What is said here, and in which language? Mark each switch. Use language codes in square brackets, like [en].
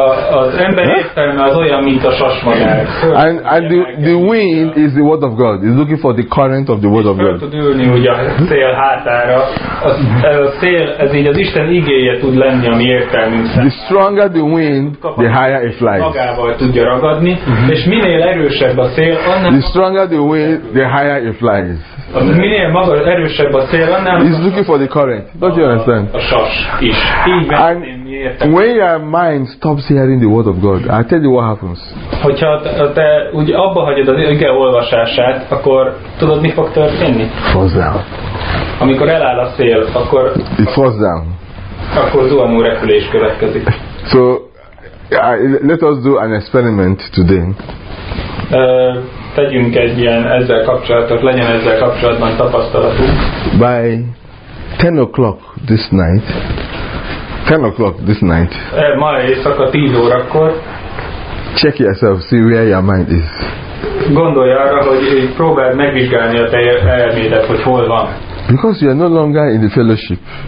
[hu] Az ember értelme az olyan, mint a sasmadár. [en] And the wind is the word of God. It's looking for the current of the word of God. [hu] Föl tud ülni, hogy a szél hátára. A szél, ez így az Isten igéje tud lenni, ami értelmünk szerint. [en] The stronger the wind, the higher it flies. [hu] Magával tudja ragadni, és minél erősebb a szél, annál... [en] The stronger the wind, the higher it flies. [hu] Minél erősebb a szél, annál... [en] It's looking for the current. Don't you understand? [hu] A sas is. [en] And when your mind stops hearing the word of God, I tell you what happens. [hu] Hogyha te úgy abba hagyod az ige olvasását, akkor tudod, mi fog történni? [en] Falls down. [hu] Amikor eláll a szél, akkor... [en] It falls down. [hu] Akkor zuhanó repülés következik. [en] So, let us do an experiment today. [hu] Tegyünk egy ilyen ezzel kapcsolatot, legyen ezzel kapcsolatban tapasztalatunk. [en] By 10 o'clock this night, 10 o'clock this night. [hu] Ma éjszaka 10 órakor. [en] Check yourself, see where your mind is. [hu] Gondolj arra, hogy próbáld megvizsgálni a te elmédet, hogy hol van. [en] Because you are no longer in the fellowship.